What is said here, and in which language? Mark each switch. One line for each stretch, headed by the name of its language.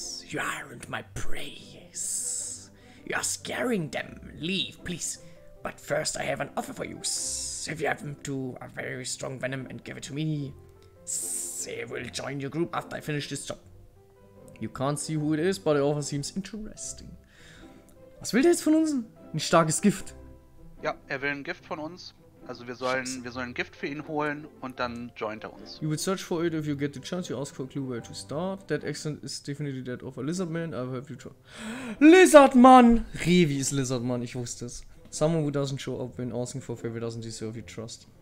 English: You aren't my prey. You are scaring them. Leave, please. But first I have an offer for you. If you happen to a very strong venom and give it to me, they will join your group after I finish this job. You can't see who it is, but the offer seems interesting.
German: Was will der jetzt von uns? Ein starkes Gift. Ja, er will ein Gift von uns. Also wir sollen ein Gift für ihn holen und dann joint er uns.
English: You would search for it if you get the chance. You ask for a clue where to start. That accent is definitely that of a lizard man. I've helped you try. Lizard man!
German: Revi ist Lizard man, ich wusste es.
English: Someone who doesn't show up when asking for a favor doesn't deserve your trust.